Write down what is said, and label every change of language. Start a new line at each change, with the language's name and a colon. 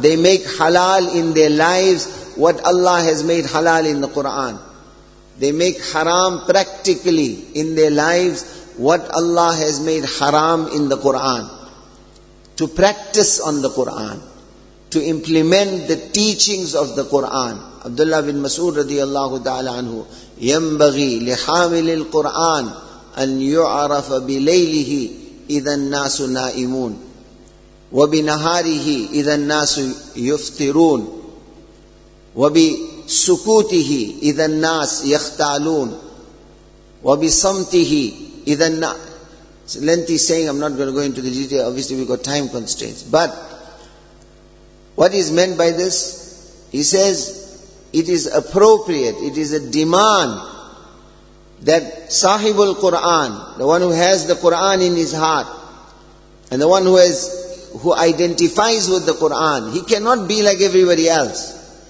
English: They make halal in their lives what Allah has made halal in the Qur'an. They make haram practically in their lives what Allah has made haram in the Qur'an. To practice on the Qur'an, to implement the teachings of the Qur'an.
Arabic: Abdullah bin Mas'ud radiallahu ta'ala anhu, يَنْبَغِي لِحَامِلِ الْقُرْآنِ أَنْ يُعَرَفَ بِلَيْلِهِ إِذَا النَّاسُ نَائِمُونَ وَبِنَهَارِهِ إِذَا النَّاسُ يُفْطِرُونَ وَبِسُكُوتِهِ إِذَا النَّاسُ يَخْتَالُونَ وَبِصَمْتِهِ إِذَا النَّاسُ.
English: Lengthy saying, I'm not going to go into the detail, obviously we've got time constraints, but what is meant by this? He says, it is appropriate, it is a demand that Sahibul Qur'an, the one who has the Qur'an in his heart, and the one who identifies with the Qur'an, he cannot be like everybody else.